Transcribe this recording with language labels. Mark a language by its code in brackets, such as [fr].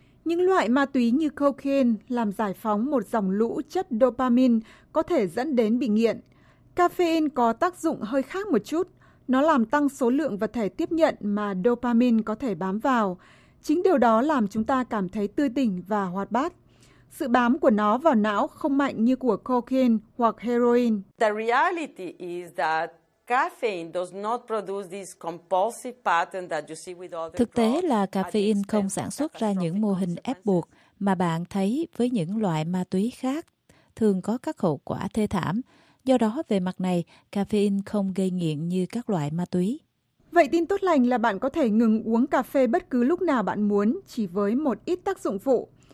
[vi] Những loại ma túy như cocaine làm giải phóng một dòng lũ chất dopamine có thể dẫn đến bị nghiện. Caffeine có tác dụng hơi khác một chút. Nó làm tăng số lượng vật thể tiếp nhận mà dopamine có thể bám vào. Chính điều đó làm chúng ta cảm thấy tươi tỉnh và hoạt bát. Sự bám của nó vào não không mạnh như của cocaine hoặc heroin. [en] The reality is that caffeine does not produce this compulsive pattern that you see with other. [vi] Thực tế là caffeine không sản xuất ra những mô hình ép buộc mà bạn thấy với những loại ma túy khác, thường có các hậu quả thê thảm. Do đó về mặt này, caffeine không gây nghiện như các loại ma túy. Vậy tin tốt lành là bạn có thể ngừng uống cà phê bất cứ lúc nào bạn muốn chỉ với một ít tác dụng phụ.